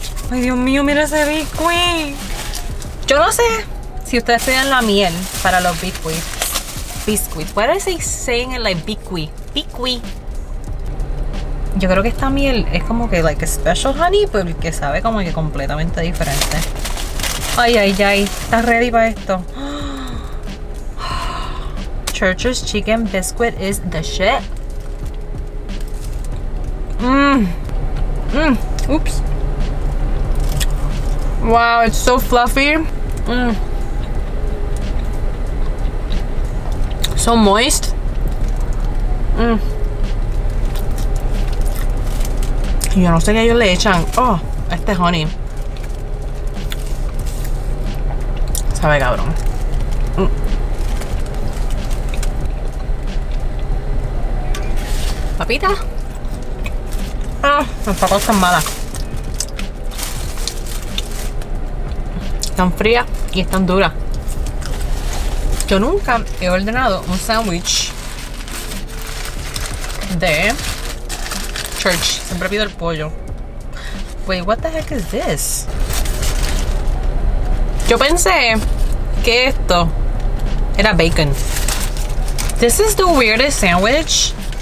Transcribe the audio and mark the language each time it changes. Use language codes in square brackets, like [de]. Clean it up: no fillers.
[es] Ay, Dios mío, mira ese biscuit. Yo no sé si ustedes pidan la miel para los biscuits. [en] Biscuit, what is he saying in like biqui? Biqui. [es] Yo creo que esta miel es como que [en] like a special honey, [es] porque sabe como que completamente diferente. Ay, ay, ay, ¿estás ready para esto? [en] Church's chicken biscuit is the shit. Oops. Wow, it's so fluffy. So moist. [es] Yo no sé qué ellos le echan. Oh, este honey. Sabe cabrón. Papita. Ah, las papas están malas. Están frías y están duras. Yo nunca he ordenado un sándwich de Church. Siempre pido el pollo. [en] Wait, what the heck is this? [es] Yo pensé que esto era bacon. [en] This is the weirdest sandwich.